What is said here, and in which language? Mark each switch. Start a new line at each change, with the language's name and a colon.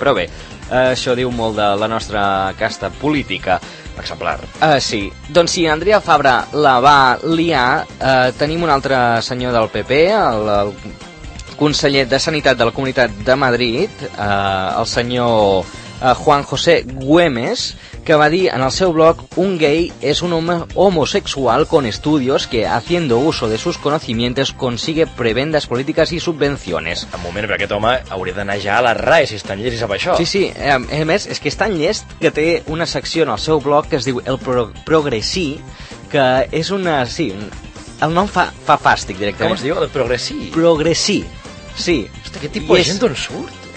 Catalan: Però bé, això diu molt de la nostra casta política. Exemplar. Sí. Doncs si Andrea Fabra la va liar, tenim un altre senyor del PP, el conseller de Sanitat de la Comunitat de Madrid, el senyor...
Spanish: Juan José Güemes,
Catalan: que va dir en el seu blog:
Spanish: un gay es un hombre homosexual con estudios que, haciendo uso de sus conocimientos, consigue prebendas políticas y subvenciones.
Catalan: Un moment, però aquest home hauria d'anar ja a la RAE, si és tan llest i sap això. Sí, sí, a més, és que és tan llest que té una secció en el seu blog que es diu El Progressí, que és una... Sí, el nom fa fàstic directament. Com es diu? El Progressí? Progressí, sí. Hosti, aquest tipus de gent d'on surt?